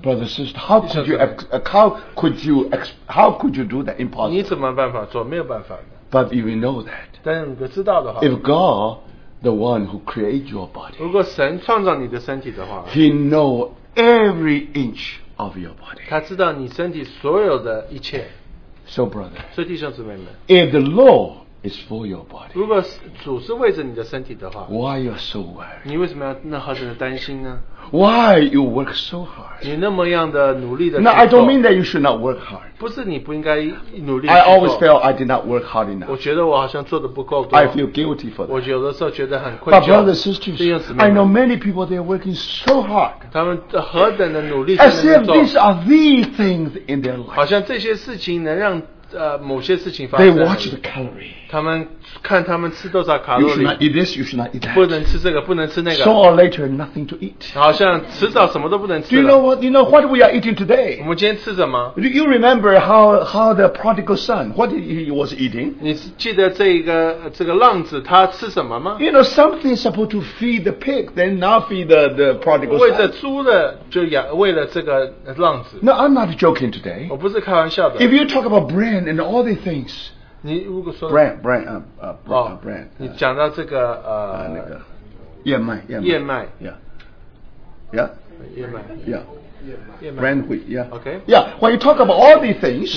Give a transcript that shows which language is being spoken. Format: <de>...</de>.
<en>brothers and sisters, how could you do that? Impossible.</en> <zh>你怎么办法做?没有办法的.</zh> <en>But if you know that,</en> <zh>但你知道的话,</zh> <en>if God, the one who created your body,</en> <zh>如果神创造你的身体的话,</zh> <en>he knows every inch of your body.</en> <zh>他知道你身体所有的一切.</zh> <en>So brother,</en> <zh>所以弟兄姊妹们,</zh> <en>if the Lord is for your body,</en> <zh>如果主是为着你的身体的话,</zh> <en>why you're so worried?</en> <zh>你为什么要那么的担心呢?</zh> <en>Why you work so hard?</en> <zh>你那么样的努力的工作,</zh> <en>now I don't mean that you should not work hard.</en> <zh>不是你不应该努力工作,</zh> <en>I always felt I did not work hard enough.</en> <zh>我觉得我好像做得不够多,</zh> <en>I feel guilty for that.</en> <zh>我有的时候觉得很愧疚,</zh> <en>but brothers and sisters,</en> <zh>弟兄姊妹们,</zh> <en>I know many people, they are working so hard,</en> <zh>他们何等的努力,</zh> <en>as if these are the things in their life.</en> <zh>好像这些事情能让, 某些事情发生,</zh> <en>they watch the calorie.</en> <zh>他们看他们吃多少卡路里,</zh> <en>you should not eat this, you should not eat that,</en> <zh>不能吃这个, 不能吃那个,</zh> <en>so or later nothing to eat,</en> <zh>好像迟早什么都不能吃了.</zh> <en>Do you know what, we are eating today?</en> <zh>我们今天吃什么?</zh> <en>Do you remember how the prodigal son, what he was eating?</en> <zh>你记得这个浪子, 他吃什么吗?</zh> <en>You know, something supposed to feed the pig, then not feed the prodigal son.</en> <zh>为了猪的就养为了这个浪子.</zh> <en>No, I'm not joking today.</en> <zh>我不是开玩笑的.</zh> <en>If you talk about bran and all these things,</en> <zh>你如果说,</zh> <en>brand,</en> <zh>你讲到这个, 那个, 燕麦, 燕麦,</zh> <en>yeah, yeah. Grand wheat, yeah. Okay. Yeah, when you talk about all these things,</en>